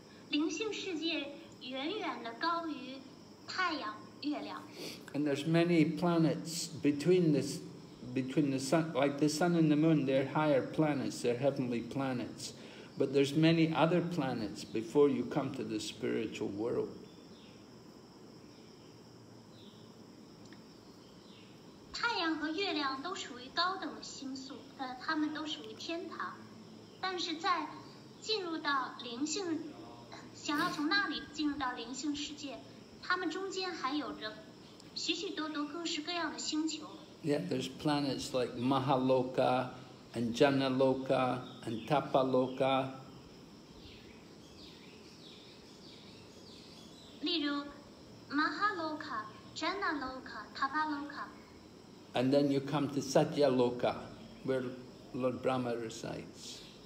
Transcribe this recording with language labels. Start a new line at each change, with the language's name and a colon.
Chinese: 灵性世界远远的高于太阳、月亮。
English: And there's many planets between the sun, like the sun and the moon. They're higher planets, they're heavenly planets. But there's many other planets before you come to the spiritual world.
Chinese: 月亮都属于高等星宿，但它们都属于天堂。但是在进入到灵性，想要从那里进入到灵性世界，它们中间还有着许许多多各式各样的星球。
English: Yeah, there's planets like Mahaloka and Janaloka and Tapaloka.
Chinese: 例如 Mahaloka, Janaloka, Tapaloka.
English: And then you come to Satyaloka, where Lord Brahma resides.